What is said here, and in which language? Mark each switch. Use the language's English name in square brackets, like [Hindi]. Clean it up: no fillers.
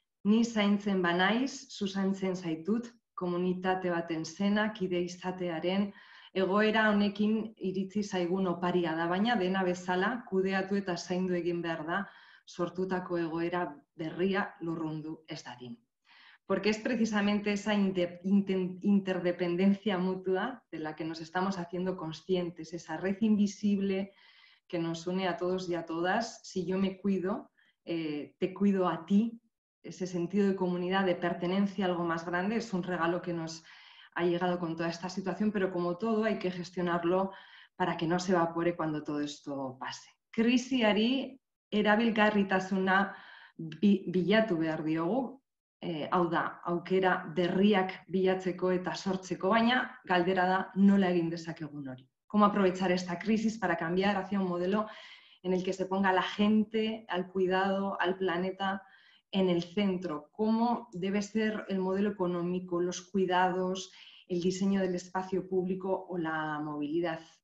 [Basque] Ni zaintzen banaiz, zu zaintzen zaitut, komunitate baten zena, kide izatearen, egoera honekin iritzi zaigun oparia da, baina dena bezala kudeatu eta zaindu egin behar da sortutako egoera berria lurrundu ez dadin. [Spanish] Porque es precisamente esa interdependencia mutua de la que nos estamos haciendo conscientes, esa red invisible que nos une a todos y a todas. Si yo me cuido, te cuido a ti. Ese sentido de comunidad, de pertenencia a algo más grande, es un regalo que nos ha llegado con toda esta situación, pero como todo hay que gestionarlo para que no se evapore cuando todo esto pase. [Basque] Krisiari erabilgarritasuna bilatu behar diogu, hau da, aukera berriak bilatzeko eta sortzeko, baina galdera da nola egin dezakegun hori. [Spanish] ¿Cómo aprovechar esta crisis para cambiar hacia un modelo en el que se ponga la gente, al cuidado, al planeta en el centro? ¿Cómo debe ser el modelo económico, los cuidados, el diseño del espacio público o la movilidad?